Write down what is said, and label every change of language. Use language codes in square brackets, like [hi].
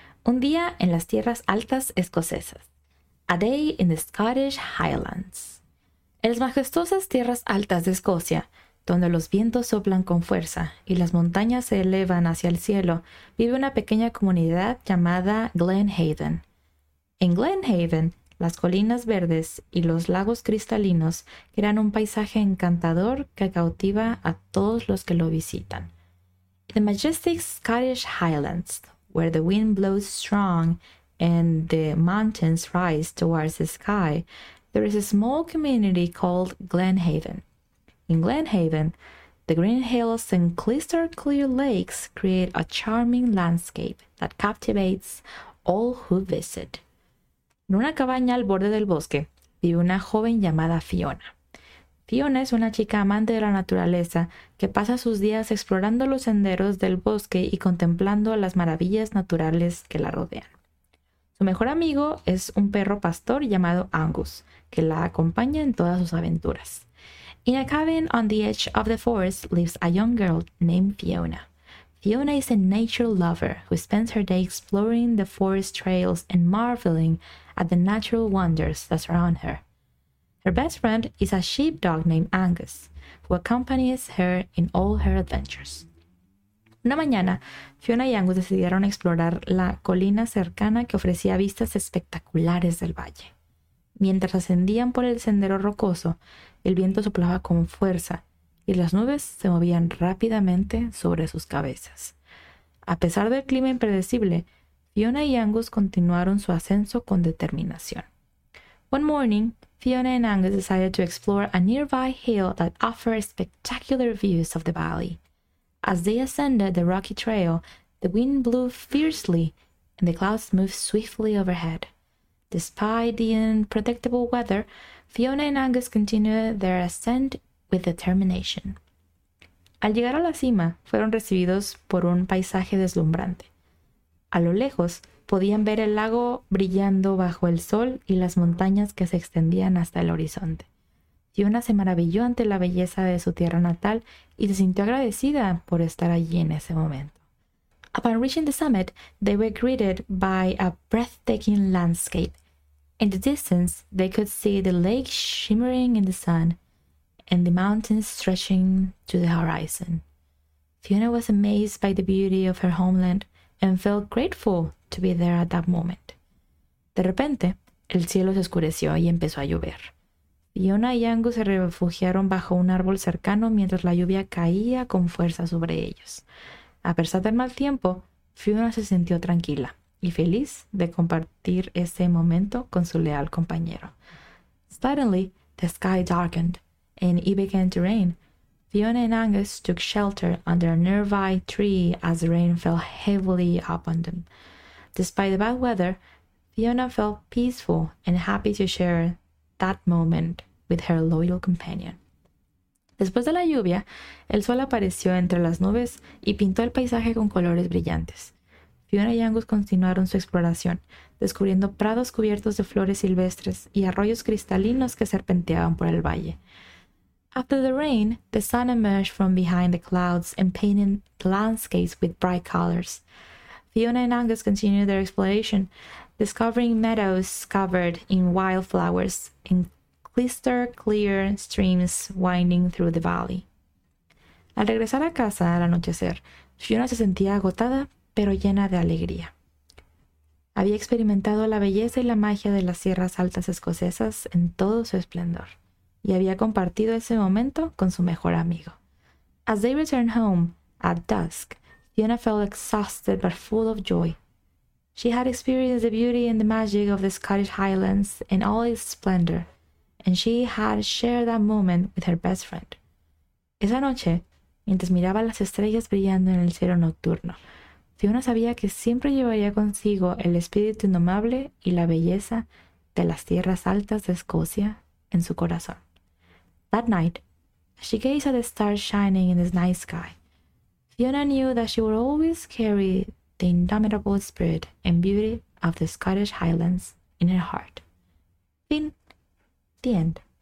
[es] Un día en las tierras altas escocesas. [en] A day in the Scottish Highlands. [es] En las majestuosas tierras altas de Escocia, donde los vientos soplan con fuerza y las montañas se elevan hacia el cielo, vive una pequeña comunidad llamada Glen Haven. En Glen Haven, las colinas verdes y los lagos cristalinos crean un paisaje encantador que cautiva a todos los que lo visitan. [en] In the majestic Scottish Highlands, where the wind blows strong and the mountains rise towards the sky, there is a small community called Glen Haven. In Glen Haven, the green hills and crystal clear lakes create a charming landscape that captivates all who visit. [es] En una cabaña al borde del bosque vive una joven llamada Fiona. Fiona es una chica amante de la naturaleza que pasa sus días explorando los senderos del bosque y contemplando las maravillas naturales que la rodean. Su mejor amigo es un perro pastor llamado Angus, que la acompaña en todas sus aventuras. [en] In a cabin on the edge of the forest lives a young girl named Fiona. Fiona is a nature lover who spends her day exploring the forest trails and marveling at the natural wonders that surround her. Her best friend is a sheepdog named Angus, who accompanies her in all her adventures. [es] Una mañana, Fiona y Angus decidieron explorar la colina cercana que ofrecía vistas espectaculares del valle. Mientras ascendían por el sendero rocoso, el viento soplaba con fuerza y las nubes se movían rápidamente sobre sus cabezas. A pesar del clima impredecible, Fiona y Angus continuaron su ascenso con determinación. [en] One morning, Fiona and Angus decided to explore a nearby hill that offered spectacular views of the valley. As they ascended the rocky trail, the wind blew fiercely and the clouds moved swiftly overhead. Despite the unpredictable weather, Fiona and Angus continued their ascent with determination. [es] Al llegar a la cima, fueron recibidos por un paisaje deslumbrante. A lo lejos, podían ver el lago brillando bajo el sol y las montañas que se extendían hasta el horizonte. Fiona se maravilló ante la belleza de su tierra natal y se sintió agradecida por estar allí en ese momento. [en] Upon reaching the summit, they were greeted by a breathtaking landscape. In the distance, they could see the lake shimmering in the sun and the mountains stretching to the horizon. Fiona was amazed by the beauty of her homeland and felt grateful to be there at that moment. [es] De repente, el cielo se oscureció y empezó a llover. Fiona y Angus se refugiaron bajo un árbol cercano mientras la lluvia caía con fuerza sobre ellos. A pesar del mal tiempo, Fiona se sintió tranquila y feliz de compartir ese momento con su leal compañero. [en] Suddenly, the sky darkened and it began to rain. Fiona and Angus took shelter under a nearby tree as the rain fell heavily upon them. Despite the bad weather, Fiona felt peaceful and happy to share that moment with her loyal companion. [es] Después de la lluvia, el sol apareció entre las nubes y pintó el paisaje con colores brillantes. Fiona y Angus continuaron su exploración, descubriendo prados cubiertos de flores silvestres y arroyos cristalinos que serpenteaban por el valle. [en] After the rain, the sun emerged from behind the clouds and painted the landscapes with bright colors. Fiona and Angus continued their exploration, discovering meadows covered in wildflowers and crystal-clear streams winding through the valley. [es] Al regresar a casa al anochecer, Fiona se sentía agotada, pero llena de alegría. Había experimentado la belleza y la magia de las sierras altas escocesas en todo su esplendor, y había compartido ese momento con su mejor amigo. [en] As they returned home at dusk, Fiona felt exhausted but full of joy. She had experienced the beauty and the magic of the Scottish Highlands in all its splendor, and she had shared that moment with her best friend. [es] Esa noche, mientras miraba las estrellas brillando en el cielo nocturno, Fiona sabía que siempre llevaría consigo el espíritu indomable y la belleza de las tierras altas de Escocia en su corazón. [en] That night, as she gazed at the stars shining in the night sky, Fiona knew that she would always carry the indomitable spirit and beauty of the Scottish Highlands in her heart. Fin. The end.